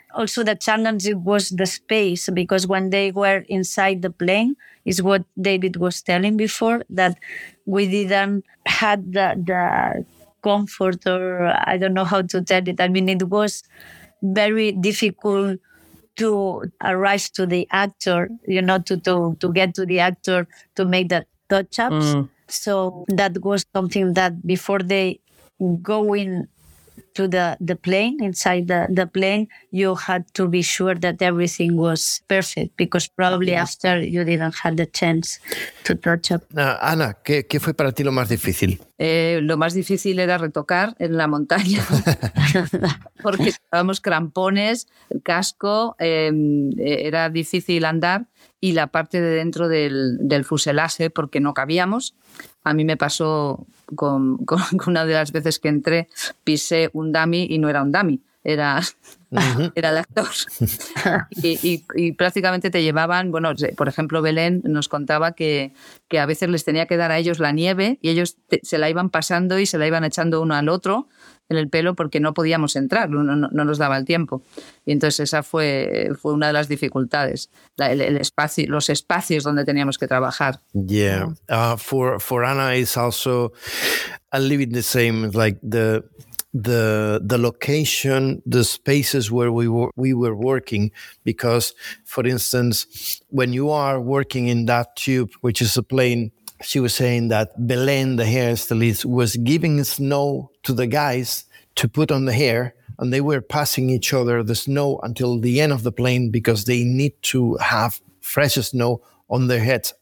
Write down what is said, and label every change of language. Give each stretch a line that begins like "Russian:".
English: Also, the challenge was the space, because when they were inside the plane, is what David was telling before, that we didn't had the comfort, or I don't know how to tell it. I mean, it was very difficult to arrive to the actor, you know, to get to the actor to make the touch-ups. Mm. So that was something that before they go in to the plane, inside the plane, you had to be sure that everything was perfect, because probably after you didn't have the chance to touch up.
Spanish: Ana, ¿qué fue para ti lo más difícil? Lo más difícil era retocar en la montaña, porque estábamos crampones, el casco, era difícil andar, y la parte de dentro del fuselaje, porque no cabíamos. A mí me pasó con una de las veces que entré, pisé un dummy y no era un dummy, era el actor. Y prácticamente te llevaban, bueno, por ejemplo, Belén nos contaba que a veces les tenía que dar a ellos la nieve y ellos se la iban pasando y se la iban echando uno al otro en el pelo, porque no podíamos entrar, no nos daba el tiempo. Y entonces esa fue una de las dificultades, el espacio, los espacios donde teníamos que trabajar.
English: Yeah, for Anna is also a little bit the same, like the location, the spaces where we were working, because for instance, when you are working in that tube, which is a plane, she was saying that Belén, the hairstylist, was giving snow to the guys to put on the hair, and they were passing each other the snow until the end of the plane, because they need to have fresh snow on their heads.